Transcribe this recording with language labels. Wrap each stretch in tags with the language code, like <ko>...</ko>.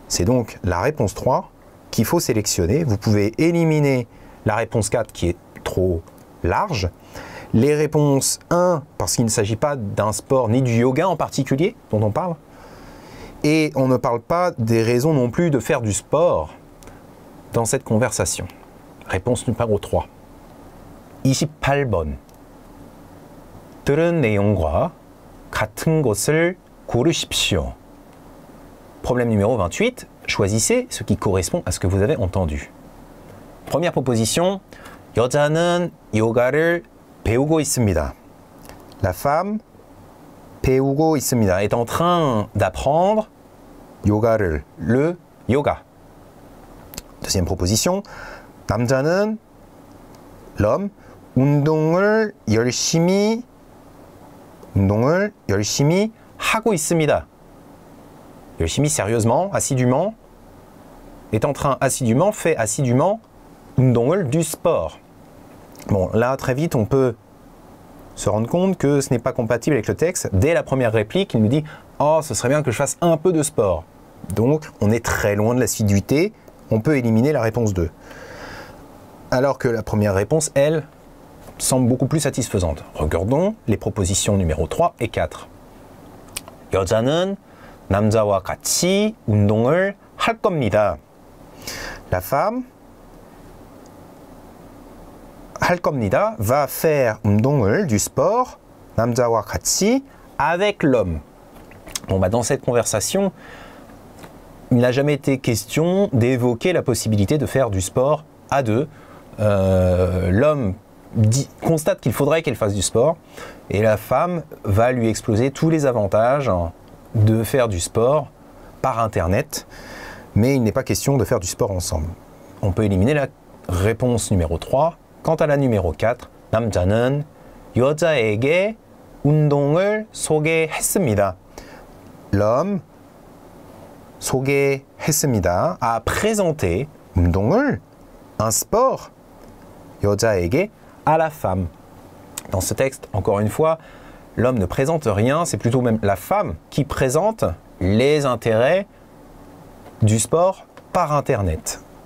<fr>C'est donc la réponse 3 qu'il faut sélectionner. Vous pouvez éliminer la réponse 4 qui est trop large. Les réponses 1, parce qu'il ne s'agit pas d'un sport ni du yoga en particulier dont on parle. Et on ne parle pas des raisons non plus de faire du sport dans cette conversation. Réponse numéro 3.</fr> <ko>28번. 들은 내용과 같은 것을 고르십시오.</ko> <fr>Problème numéro 28. Choisissez ce qui correspond à ce que vous avez entendu. Première proposition.</fr> <ko>여자는 요가를 배우고 있습니다.</ko> <fr>La femme</fr> <ko>배우고 있습니다.</ko> <fr>Est en train d'apprendre</fr> <ko>요가를.</ko> <fr>Le yoga. Deuxième proposition.</fr> <ko>남자는</ko> <fr>l'homme</fr> <ko>운동을 열심히 운동을 열심히 하고 있습니다. 열심히,</ko> <fr>sérieusement, assidûment, est en train assidûment, fait assidûment,</fr> <ko>운동을</ko> <fr>du sport. Bon, là, très vite, on peut se rendre compte que ce n'est pas compatible avec le texte. Dès la première réplique, il nous dit « Oh, ce serait bien que je fasse un peu de sport. » Donc, on est très loin de l'assiduité. On peut éliminer la réponse 2. Alors que la première réponse, elle, semble beaucoup plus satisfaisante. Regardons les propositions numéro 3 et 4.</fr> <ko>여자는 남자와 같이 운동을 할 겁니다.</ko> <fr>La femme</fr> <ko>할 겁니다</ko> <fr>va faire</fr> <ko>운동을</ko> <fr>du sport</fr> <ko>남자와 같이</ko> <fr>avec l'homme. Bon bah dans cette conversation, il n'a jamais été question d'évoquer la possibilité de faire du sport à deux. L'homme constate qu'il faudrait qu'elle fasse du sport et la femme va lui exploser tous les avantages de faire du sport par internet, mais il n'est pas question de faire du sport ensemble. On peut éliminer la réponse numéro 3. Quant à la numéro 4,</fr> <ko>남자는 여자에게 운동을 소개했습니다.</ko> <fr>L'homme</fr> <ko>소개했습니다</ko> <fr>a présenté</fr> <ko>운동을</ko> <fr>un sport</fr> <ko>여자에게</ko> <fr>à la femme. Dans ce texte, encore une fois, l'homme ne présente rien, c'est plutôt même la femme qui présente les intérêts du sport par Internet.</fr>